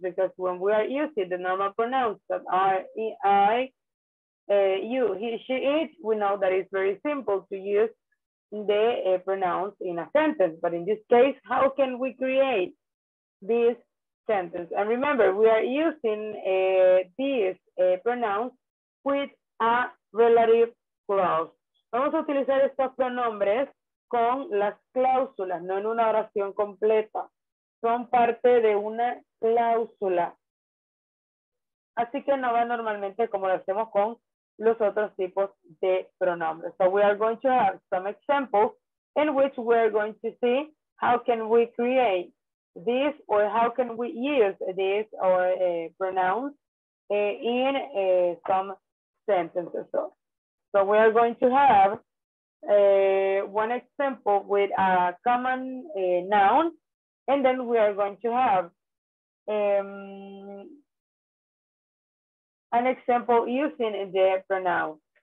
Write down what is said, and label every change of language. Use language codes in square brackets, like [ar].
[en] Because when we are using the normal pronouns that are I, you, he, she, it, we know that it's very simple to use the pronouns in a sentence, but in this case, how can we create this sentence? And remember, we are using this pronoun with a relative clause. [es] Vamos a utilizar estos pronombres con las cláusulas, no en una oración completa. Son parte de una cláusula. Así que no va normalmente como lo hacemos con los otros tipos de pronombres. [en] So we are going to have some examples in which we are going to see how can we create this or how can we use this or pronouns in some sentences. So we are going to have one example with a common noun, and then we are going to have an example using the pronoun.